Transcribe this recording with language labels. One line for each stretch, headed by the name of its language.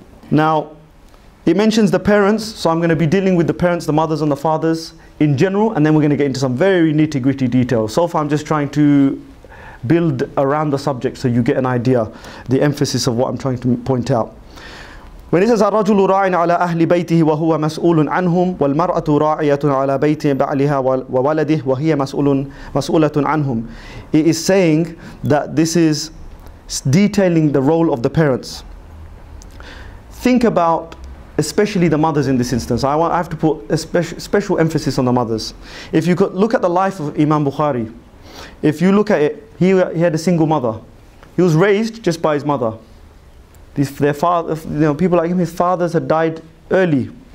English: Now, it mentions the parents, so I'm going to be dealing with the parents, the mothers and the fathers in general, and then we're going to get into some very nitty-gritty details. So far I'm just trying to build around the subject so you get an idea, the emphasis of what I'm trying to point out. When it says
Arabic: الرجل راع على أهل بيته وهو مسؤول عنهم والمرأة راعية على بيت بعلها وولده وهي مسؤولة عنهم,
English: it is saying that this is detailing the role of the parents. Think about especially the mothers in this instance. I have to put a special emphasis on the mothers. If you could look at the life of Imam Bukhari, if you look at it, he had a single mother. He was raised just by his mother. People like him, his fathers had died early.